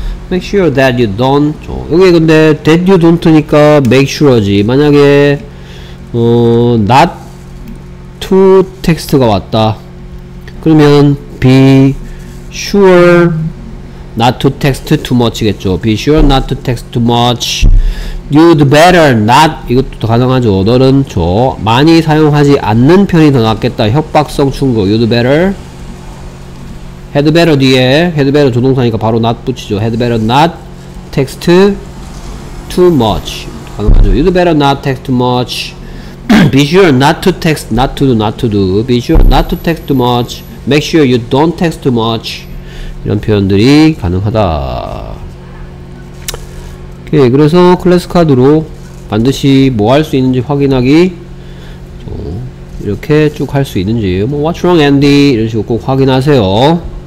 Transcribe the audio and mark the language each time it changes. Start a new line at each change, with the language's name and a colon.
English: Make sure that you don't.
Korean: 여기 근데
English: that you don't니까 make sure지.
Korean: 만약에 not to text가 왔다. 그러면
English: be sure not to text too much
Korean: 겠죠.
English: Be sure not to text too much. You'd better not. 이것도 가능하죠.
Korean: 너는 저 많이 사용하지 않는 편이 더 낫겠다. 협박성 충고.
English: You'd better. had better 뒤에 had better
Korean: 조동사니까 바로
English: not
Korean: 붙이죠.
English: had better not text too much
Korean: 가능하죠.
English: you'd better not text too much. be sure not to text not to do not to do. be sure not to text too much. make sure you don't text too much.
Korean: 이런 표현들이 가능하다. 오케이. 그래서 클래스 카드로 반드시 뭐 할 수 있는지 확인하기 이렇게 쭉 할 수 있는지 뭐
English: what's wrong Andy
Korean: 이런 식으로 꼭 확인하세요.